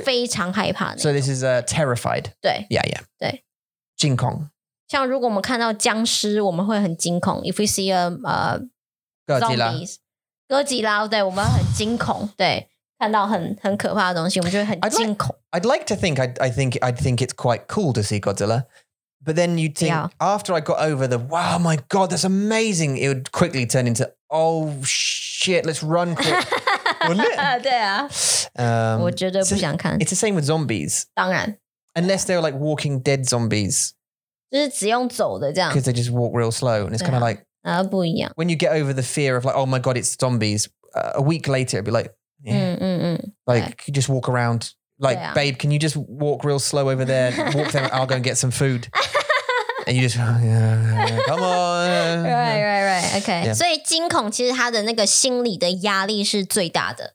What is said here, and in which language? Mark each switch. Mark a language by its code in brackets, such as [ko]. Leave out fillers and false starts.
[zh] 非常害怕 [en] 的 So this is terrified [zh] 对 [en] Yeah, yeah [zh] 对惊恐像如果我们看到僵尸我们会很惊恐 [en] If we see a zombies [zh] 哥吉拉对我们很惊恐对看到很可怕的东西，我们就会很惊恐。 [en] I'd like to think I think it's quite cool to see Godzilla, but then you think yeah. after I got over the wow my god that's amazing, it would quickly turn into oh shit let's run quick. [zh] 对啊，我绝对不想看。 [en] It's the same with zombies. [zh] 当然 [en] ，unless they're like Walking Dead zombies, [zh] 就是只用走的这样 [en] ，because they just walk real slow and it's kind of like [zh] 啊不一样。 [en] When you get over the fear of like oh my god it's zombies, a week later it'd be like. Yeah. Like, you just walk around. Like, babe, can you just walk real slow over there? Walk there, I'll go and get some food. And you just, come on. Right, okay. [zh] So, 惊恐其实它的那个心理的压力是最大的。